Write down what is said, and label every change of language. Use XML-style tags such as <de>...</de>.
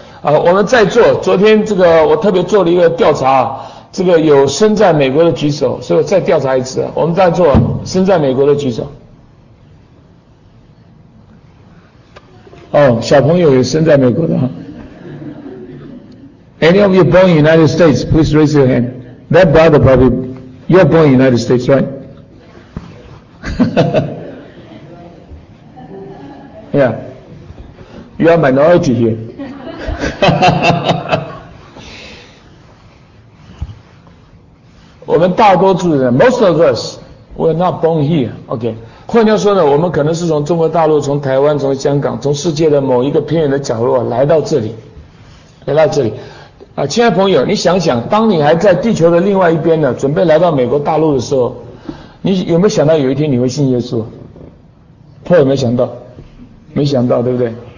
<zh>我们在座，昨天这个我特别做了一个调查，这个有身在美国的举手，所以我再调查一次，我们在座身在美国的举手。哦，小朋友有身在美国的。</zh> <en>Any of you born in the United States, please raise your hand. That brother probably, you're born in the United States, right? Yeah. You are minority here. Most of us were not born here, okay.</en> <zh>换句话说呢，我们可能是从中国大陆，从台湾，从香港，从世界的某一个偏远的角落来到这里，来到这里。啊，亲爱的朋友，你想想，当你还在地球的另外一边呢，准备来到美国大陆的时候，你有没有想到有一天你会信耶稣？颇有没有想到？没想到，对不对？</zh>